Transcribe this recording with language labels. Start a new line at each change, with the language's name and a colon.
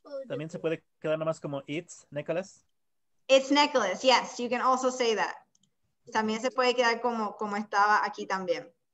Spanish: También se puede quedar nomás como its necklace.
English: It's necklace, yes, you can also say that.
Spanish: También se puede quedar como, como estaba aquí también.